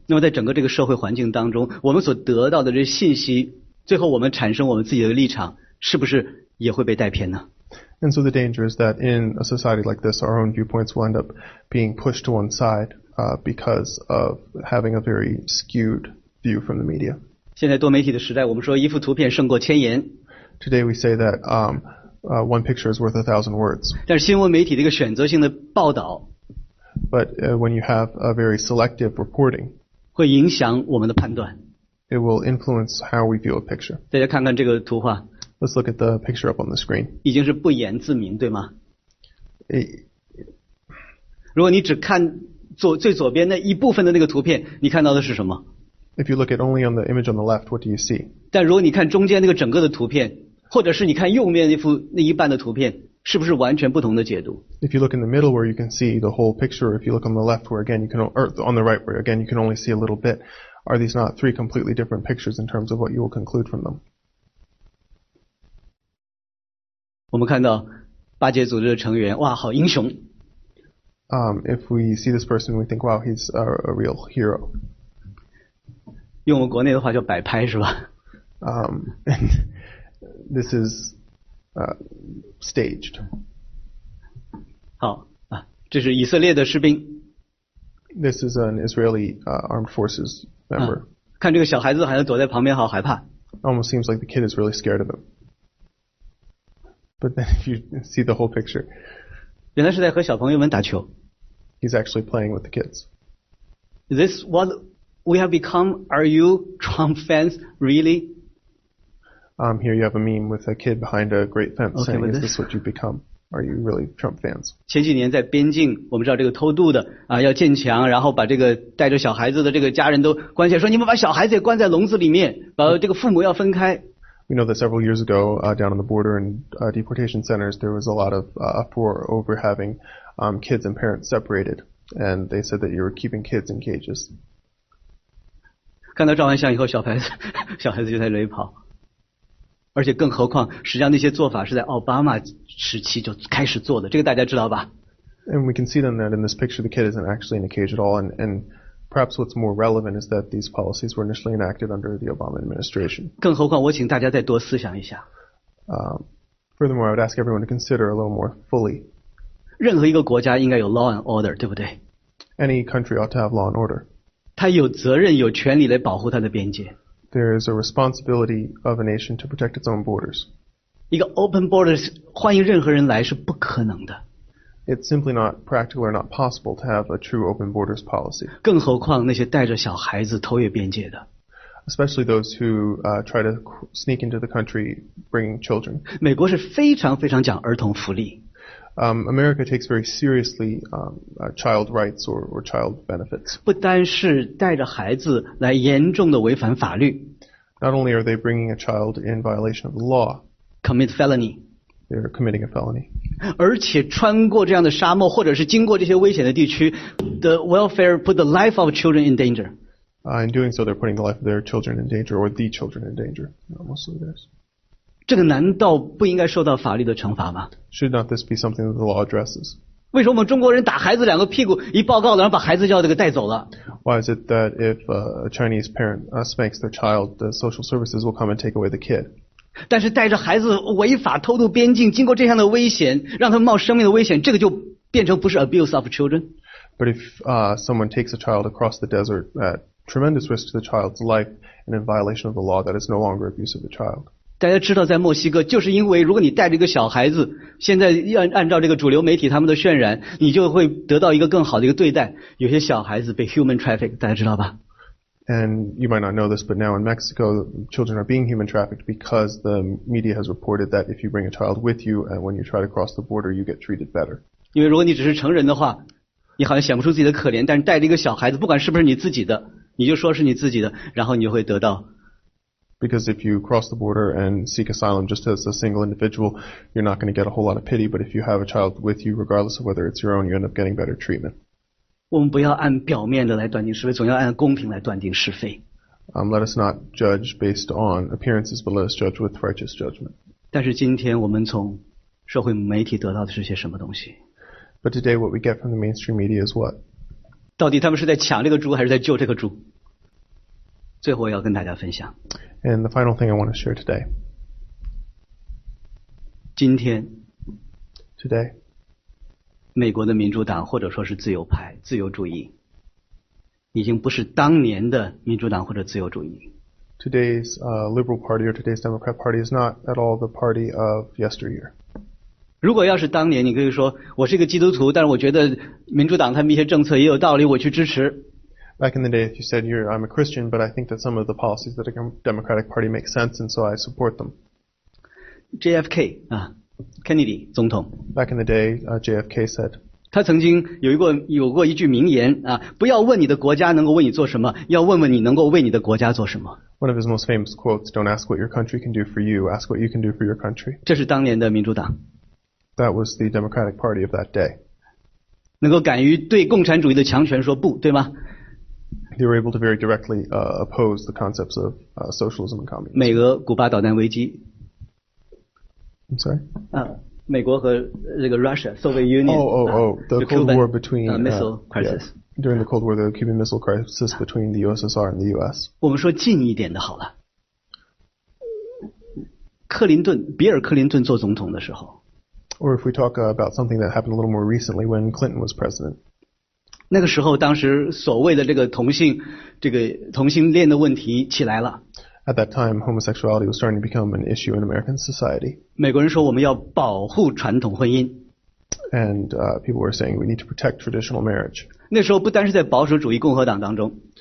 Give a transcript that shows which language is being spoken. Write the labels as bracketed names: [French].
[Chinese] 那么在整个这个社会环境当中，我们所得到的这信息，最后我们产生我们自己的立场，是不是也会被带偏呢？ [English] And so the danger is that in a society like this, our own viewpoints will end up being pushed to one side, because of having a very skewed view from the media. [Chinese] 现在多媒体的时代，我们说一幅图片胜过千言。 [English] Today we say that one picture is worth 1,000 words. [Chinese] 但是新闻媒体这个选择性的报道。 [English] But when you have a very selective reporting, [Chinese] 会影响我们的判断。 [English] It will influence how we view a picture. [Chinese] 大家看看这个图画。 [English] Let's look at the picture up on the screen. [Chinese] 已经是不言自明，对吗？ [English] It, [Chinese] 如果你只看最左边那一部分的那个图片，你看到的是什么？ [English] If you look at only on the image on the left, what do you see? [Chinese] 但如果你看中间那个整个的图片，或者是你看右面那一半的图片。是不是完全不同的解读？ [English] If you look in the middle where you can see the whole picture, if you look on the left where again you can, or on the right where again you can only see a little bit, are these not three completely different pictures in terms of what you will conclude from them? [Chinese] 我们看到巴结组织的成员，哇，好英雄。 [English] If we see this person, we think, wow, he's a real hero. [Chinese] 用我们国内的话叫摆拍是吧？ [English] And this is. Staged. [Chinese] 好啊，这是以色列的士兵。 [English] This is an Israeli armed forces member. [Chinese] 看这个小孩子好像躲在旁边，好害怕。 [English] Almost seems like the kid is really scared of him. But then if you see the whole picture, [Chinese] 原来是在和小朋友们打球。 [English] He's actually playing with the kids. Is this what we have become? Are you Trump fans really? Here you have a meme with a kid behind a great fence saying, okay, is this what you've become? Are you really Trump fans? [Chinese] 前几年在边境，我们知道这个偷渡的啊，要建墙，然后把这个带着小孩子的这个家人都关起来，说你们把小孩子也关在笼子里面，把这个父母要分开。 [English] We know that several years ago, down on the border and deportation centers, there was a lot of uproar over having kids and parents separated, and they said that you were keeping kids in cages. [Chinese] 看到照完相以后，小孩子就在那里跑。而且更何况，实际上那些做法是在奥巴马时期就开始做的，这个大家知道吧 [English] ？And we can see then that in this picture the kid isn't actually in a cage at all, and perhaps what's more relevant is that these policies were initially enacted under the Obama administration. [Chinese] 更何况，我请大家再多思想一下。 [English] Furthermore, I would ask everyone to consider a little more fully. [Chinese] 任何一个国家应该有 [English] law and order, [Chinese] 对不对 [English] ？Any country ought to have law and order. [Chinese] 他有责任、有权利来保护他的边界。 [English] There is a responsibility of a nation to protect its own borders. [Chinese] 一个 [English] open borders [Chinese] 欢迎任何人来是不可能的。 [English] It's simply not practical or not possible to have a true open borders policy. [Chinese] 更何况那些带着小孩子偷越边界的。 [English] Especially those who try to sneak into the country bringing children. [Chinese] 美国是非常非常讲儿童福利。 [English] America takes very seriously child rights or child benefits. [Chinese] 不单是带着孩子来严重的违反法律。 [English] Not only are they bringing a child in violation of the law. Commit felony. They're committing a felony. [Chinese] 而且穿过这样的沙漠，或者是经过这些危险的地区 ， [English] the welfare put the life of children in danger. In doing so, they're putting the life of their children in danger, or the children in danger. Mostly this. [Chinese] 这个难道不应该受到法律的惩罚吗？ [English] Should not this be something that the law addresses? [Chinese] 为什么我们中国人打孩子两个屁股一报告的然后把孩子叫这个带走了？ [English] Why is it that if a Chinese parent spanks their child, the social services will come and take away the kid? [Chinese] 但是带着孩子违法偷渡边境，经过这样的危险，让他们冒生命的危险，这个就变成不是 [English] abuse of children? But if someone takes a child across the desert at tremendous risk to the child's life and in violation of the law, that is no longer abuse of the child. [Chinese] 大家知道在墨西哥就是因为如果你带着一个小孩子现在按照这个主流媒体他们的渲染你就会得到一个更好的一个对待有些小孩子被 [English] human trafficked [Chinese] 大家知道吧 [English] And you might not know this but now in Mexico children are being human trafficked because the media has reported that if you bring a child with you and when you try to cross the border you get treated better [Chinese] 因为如果你只是成人的话你好像显不出自己的可怜但是带着一个小孩子不管是不是你自己的你就说是你自己的然后你就会得到 [English] Because if you cross the border and seek asylum just as a single individual, you're not going to get a whole lot of pity. But if you have a child with you, regardless of whether it's your own, you end up getting better treatment. [Chinese] 我们不要按表面的来断定是非，总要按公平来断定是非。 [English] Let us not judge based on appearances, but let us judge with righteous judgment. [Chinese] 但是今天我们从社会媒体得到的是些什么东西？ [English] But today what we get from the mainstream media is what? [Chinese] 到底他们是在抢这个猪还是在救这个猪？最后要跟大家分享。 [English] And the final thing I want to share today. [Chinese] 今天 [English] Today. [Chinese] 美国的民主党或者说是自由派自由主义已经不是当年的民主党或者自由主义 [English] Today's Liberal Party or today's Democrat Party is not at all the party of yesteryear. [Chinese] 如果要是当年你可以说我是一个基督徒但是我觉得民主党他们一些政策也有道理我去支持 [English] Back in the day, if you said, I'm a Christian, but I think that some of the policies that a Democratic Party makes sense, and so I support them. [Chinese] JFK, Kennedy, 总统 [English] Back in the day, JFK said, [Chinese] 他曾经有过一句名言、不要问你的国家能够为你做什么要问问你能够为你的国家做什么 [English] One of his most famous quotes, don't ask what your country can do for you, ask what you can do for your country. [Chinese] 这是当年的民主党 [English] That was the Democratic Party of that day. [Chinese] 能够敢于对共产主义的强权说不,对吗? [English] They were able to very directly oppose the concepts of socialism and communism. [Chinese] 美俄古巴导弹危机。 [English] I'm sorry? [Chinese] 美国和这个 Russia, Soviet Union. [English] The Cold War between... missile crisis. Yeah, during the Cold War, the Cuban Missile Crisis between the USSR and the US. [Chinese] 我们说近一点的好了。克林顿,比尔克林顿做总统的时候。 [English] Or if we talk about something that happened a little more recently when Clinton was president. [Chinese] 那个时候当时所谓的这个同性恋的问题起来了 [English] At that time, homosexuality was starting to become an issue in American society. [Chinese] 美国人说我们要保护传统婚姻 [English] And people were saying we need to protect traditional marriage. [Chinese] 那时候不单是在保守主义共和党当中